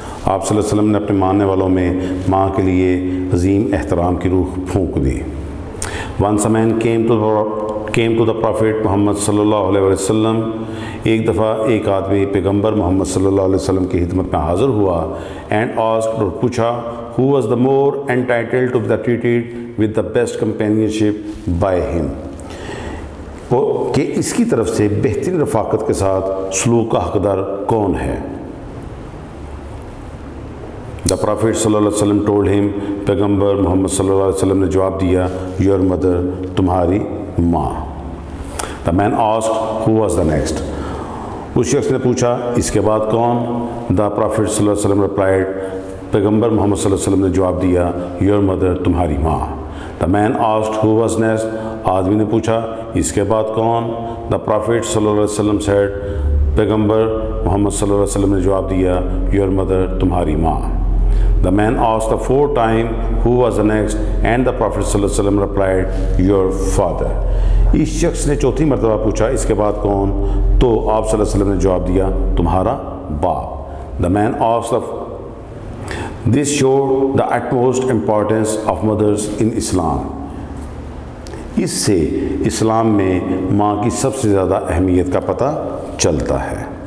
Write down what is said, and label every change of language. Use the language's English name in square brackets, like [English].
[Urdu] آپ صلی اللہ علیہ وسلم نے اپنے ماننے والوں میں ماں کے لیے عظیم احترام کی روح پھونک دی. [English] Once a man came to the Prophet Muhammad صلی اللہ علیہ وسلم. [Urdu] ایک دفعہ ایک آدمی پیغمبر محمد صلی اللہ علیہ وسلم کی خدمت میں حاضر ہوا [English] and asked [Urdu] اور پوچھا [English] who was the more entitled to be treated with the best companionship by him. [Urdu] کہ اس کی طرف سے بہترین رفاقت کے ساتھ سلوک کا حقدار کون ہے. [English] The Prophet صلی اللہ علیہ وسلم told him, [Urdu] پیغمبر محمد صلی اللہ علیہ وسلم نے جواب دیا, [English] your mother, [Urdu] تمہاری ماں. [English] The man asked, who was the next? [Urdu] اس شخص نے پوچھا, اس کے بعد کون? [English] The Prophet صلی اللہ علیہ وسلم replied, [Urdu] پیغمبر محمد صلی اللہ علیہ وسلم نے جواب دیا, [English] your mother, [Urdu] تمہاری ماں. [English] The man asked, who was next? [Urdu] آدمی نے پوچھا, اس کے بعد کون? [English] The Prophet صلی اللہ علیہ وسلم said, [Urdu] پیغمبر محمد صلی اللہ علیہ وسلم نے جواب دیا, [English] your mother, [Urdu] تمہاری ماں. [English] The man asked the fourth time who was the next and the Prophet صلی اللہ علیہ وسلم replied, your father. [Urdu] اس شخص نے چوتھی مرتبہ پوچھا, اس کے بعد کون? تو آپ صلی اللہ علیہ وسلم نے جواب دیا, تمہارا باپ. [English] The man asked this showed the utmost importance of mothers in Islam. [Urdu] اس سے اسلام میں ماں کی سب سے زیادہ اہمیت کا پتہ چلتا ہے.